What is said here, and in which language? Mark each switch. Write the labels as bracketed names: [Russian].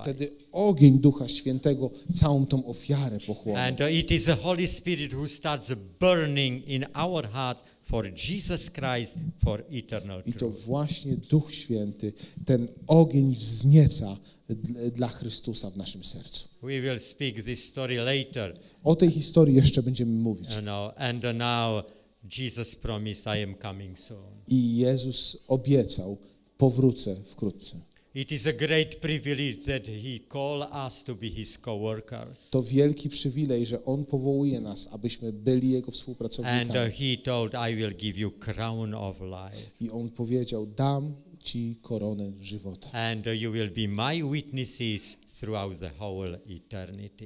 [Polish] Wtedy ogień Ducha Świętego całą tą ofiarę pochłonął. [English] And it is the Holy Spirit who starts burning in our hearts for Jesus Christ for eternal truth. [Polish] I to właśnie Duch Święty ten ogień wznieca dla Chrystusa w naszym sercu. [English] We will speak this story later. [Polish] O tej historii jeszcze będziemy mówić. [English] And now Jesus promised, I am coming soon. [Polish] I Jezus obiecał, powrócę wkrótce. [English] It is a great privilege that he call us to be his co-workers. [Polish] To wielki przywilej, że on powołuje nas, abyśmy byli jego współpracownikami. [English] And he told, I will give you crown of life. [Polish] I on powiedział, dam ci koronę żywota. [English] And you will be my witnesses throughout the whole eternity.